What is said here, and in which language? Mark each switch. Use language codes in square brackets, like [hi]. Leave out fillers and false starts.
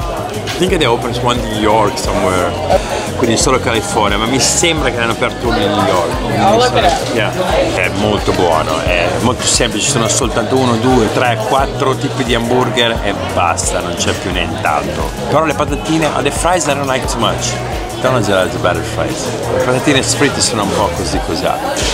[en] I think they opened one in New York somewhere. [it] Quindi solo California, ma mi sembra che ne hanno aperto uno in New York. È molto buono, è molto semplice, ci sono soltanto uno, due, tre, quattro tipi di hamburger e basta, non c'è più nient'altro. Però le patatine, [en] the fries I don't like too much. [it] Non è gelato, è [en] better fries. [it] Le patatine fritte sono un po' così cos'altro.